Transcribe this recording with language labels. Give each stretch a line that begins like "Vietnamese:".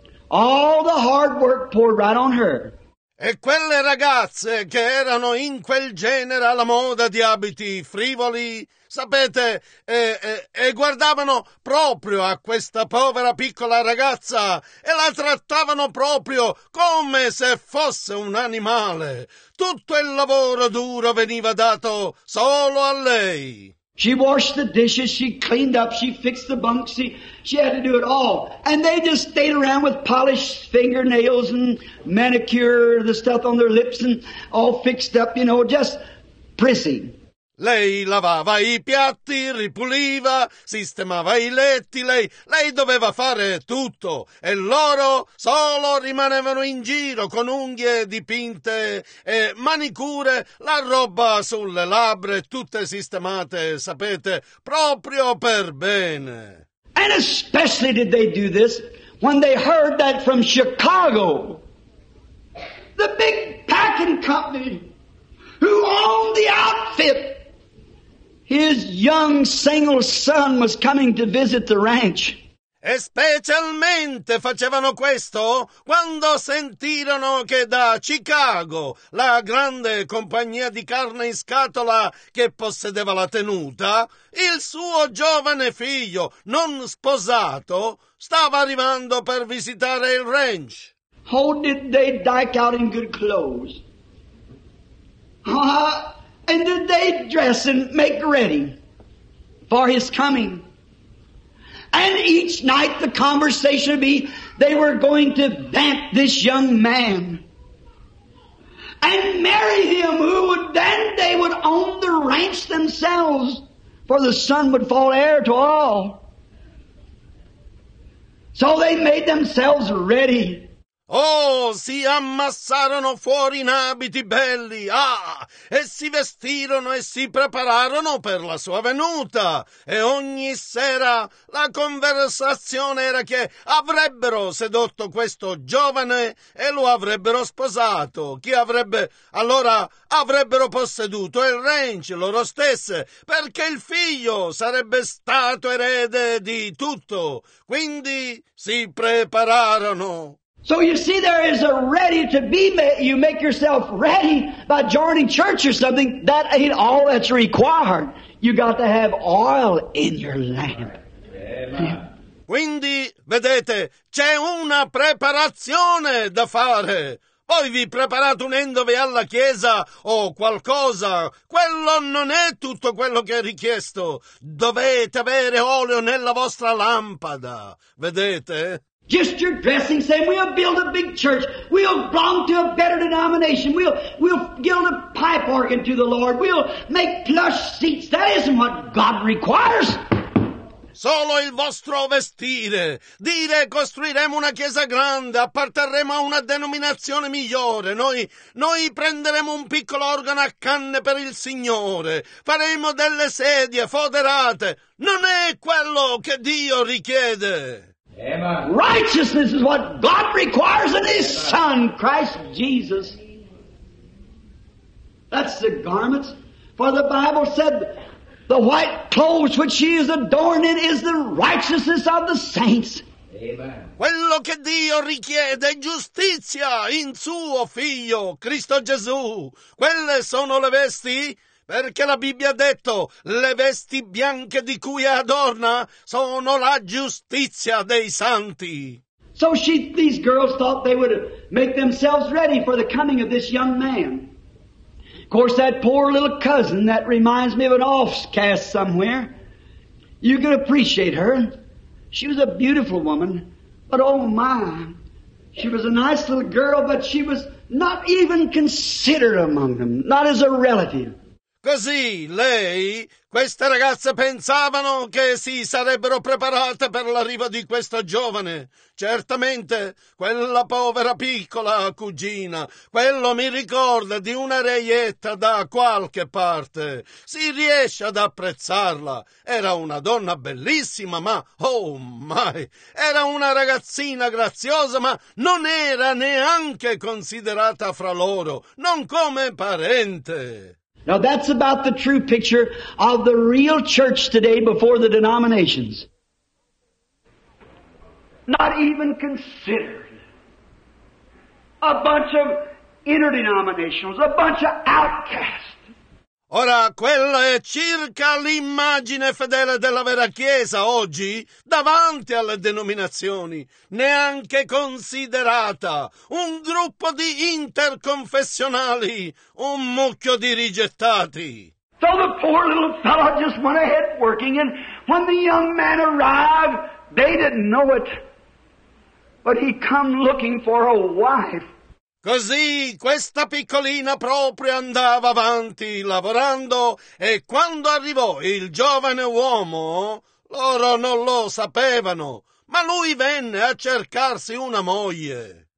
English: All the hard work poured right on her.
Italian: E quelle ragazze che erano in quel genere alla moda di abiti frivoli, sapete, e guardavano proprio a questa povera piccola ragazza e la trattavano proprio come se fosse un animale. Tutto il lavoro duro veniva dato solo a lei.
English: She washed the dishes, she cleaned up, she fixed the bunks, she had to do it all. And they just stayed around with polished fingernails and manicure, the stuff on their lips and all fixed up, you know, just prissy.
Italian: Lei lavava i piatti, ripuliva, sistemava i letti, lei doveva fare tutto. E loro solo rimanevano in giro con unghie dipinte e manicure, la roba sulle labbra, tutte sistemate, sapete, proprio per bene.
English: And especially did they do this when they heard that from Chicago, the big packing company who owned the outfit, his young single son was coming to visit the ranch.
Italian: E specialmente facevano questo quando sentirono che da Chicago la grande compagnia di carne in scatola che possedeva la tenuta, il suo giovane figlio non sposato stava arrivando per visitare il ranch.
English: How did they dike out in good clothes? And did they dress and make ready for his coming? And each night the conversation would be, they were going to vamp this young man and marry him, who would then they would own the ranch themselves, for the son would fall heir to all. So they made themselves ready.
Italian: Oh, si ammassarono fuori in abiti belli, ah, e si vestirono e si prepararono per la sua venuta. E ogni sera la conversazione era che avrebbero sedotto questo giovane e lo avrebbero sposato. Allora avrebbero posseduto il ranch loro stesse, perché il figlio sarebbe stato erede di tutto. Quindi si prepararono.
English: So you see, there is a ready to be made. You make yourself ready by joining church or something. That ain't all that's required. You got to have oil in your lamp.
Italian: Quindi, vedete, c'è una preparazione da fare. Voi vi preparate unendovi alla chiesa o qualcosa. Quello non è tutto quello che è richiesto. Dovete avere olio nella vostra lampada. Vedete?
English: Just your dressing, saying, we'll build a big church. We'll belong to a better denomination. We'll build a pipe organ to the Lord. We'll make plush seats. That isn't what God requires.
Italian: solo il vostro vestire. Dire costruiremo una chiesa grande, apparterremo a una denominazione migliore. Noi prenderemo un piccolo organo a canne per il Signore. Faremo delle sedie foderate. Non è quello che Dio richiede.
English: Amen. Righteousness is what God requires in His Son, Christ Jesus. That's the garments. For the Bible said, the white clothes which she is adorned in is the righteousness of the saints. Amen.
Italian: Quello che Dio richiede è giustizia in suo figlio, Cristo Gesù. Quelle sono le vesti? Perché la Bibbia ha detto, le vesti bianche di cui adorna sono la giustizia dei santi.
English: So these girls thought they would make themselves ready for the coming of this young man. Of course, that poor little cousin that reminds me of an offcast somewhere, you can appreciate her. She was a beautiful woman, but oh my, she was a nice little girl, but she was not even considered among them, not as a relative.
Italian: Così lei, queste ragazze pensavano che si sarebbero preparate per l'arrivo di questo giovane. Certamente, quella povera piccola cugina, quello mi ricorda di una reietta da qualche parte. Si riesce ad apprezzarla. Era una donna bellissima, ma
English: oh my!
Italian: Era una ragazzina graziosa, ma non era neanche considerata fra loro, non come parente.
English: Now that's about the true picture of the real church today before the denominations. Not even considered. A bunch of interdenominationals, a bunch of outcasts.
Italian: Ora, quella è circa l'immagine fedele della vera Chiesa oggi, davanti alle denominazioni, neanche considerata un gruppo di interconfessionali, un mucchio di rigettati.
English: So the poor little fellow just went ahead working, and when the young man arrived, they didn't know it, but he come looking for a wife.
Italian: Così questa piccolina proprio andava avanti lavorando e quando arrivò il giovane uomo, loro non lo sapevano, ma lui venne a cercarsi una moglie.